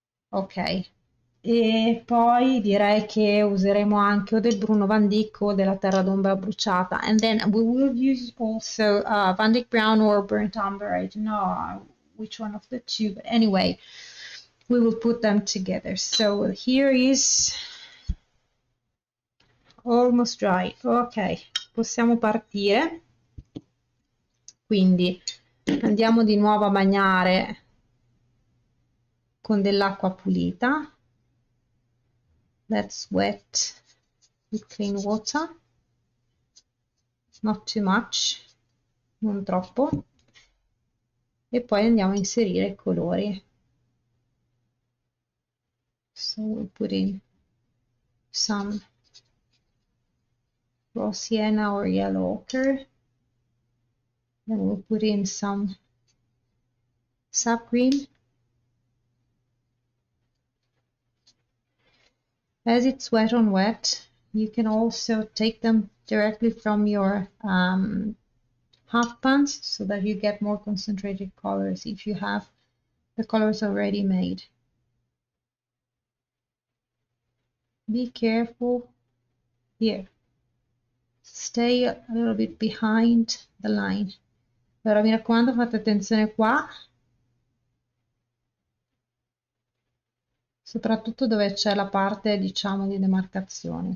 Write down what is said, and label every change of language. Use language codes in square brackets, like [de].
[it] Ok, e poi direi che useremo anche o del Bruno Van Dyck o della terra d'ombra bruciata. [en] And then we will use also Van Dyck Brown or Burnt Umber. I don't know which one of the two, but anyway, we will put them together. So here is almost dry. [it] Ok, possiamo partire. Quindi andiamo di nuovo a bagnare con dell'acqua pulita. [en] Let's wet with clean water. Not too much, [it] non troppo. E poi andiamo a inserire i colori. [en] So we'll put in some rose sienna or yellow ochre. Then we'll put in some sap green. As it's wet on wet, you can also take them directly from your half pans so that you get more concentrated colors if you have the colors already made. Be careful here. Stay a little bit behind the line. [it] Però mi raccomando, fate attenzione qua, soprattutto dove c'è la parte, diciamo, di demarcazione.